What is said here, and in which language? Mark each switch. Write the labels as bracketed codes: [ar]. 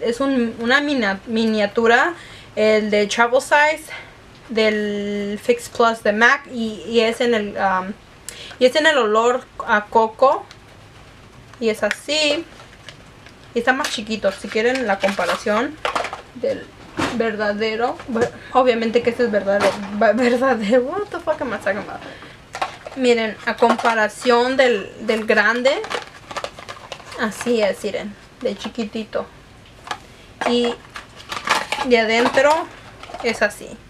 [es] Es una miniatura, el de travel size del Fix Plus de MAC. Y es en el olor a coco. Y es así. Y está más chiquito, si quieren la comparación del... verdadero, obviamente que este es verdadero. [en] What the fuck am I talking about? [es] Miren, a comparación del grande, así es, miren, de chiquitito. Y de adentro es así.